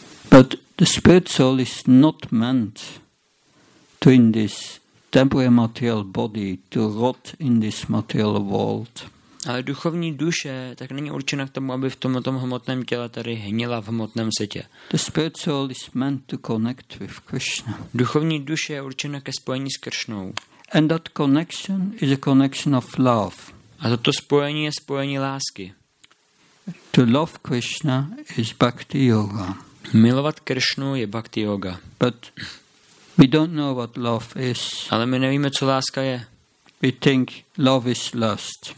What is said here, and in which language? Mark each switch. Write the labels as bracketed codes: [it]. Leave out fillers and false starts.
[en] But the spirit soul is not meant to in this temporary material body to rot in this material world. [cs] Ale duchovní duše tak není určena k tomu, aby v tomto hmotném těle tady hnila v hmotném světě. [en] The spirit soul is meant to connect with Krishna. [cs] Duchovní duše je určena ke spojení s Krishnou. [en] And that connection is a connection of love. [cs] A toto spojení je spojení lásky. [en] To love Krishna is bhakti yoga. [cs] Milovat Krishnu je bhakti yoga. [en] But we don't know what love is. [cs] Ale my nevíme, co láska je. [en] We think love is lust.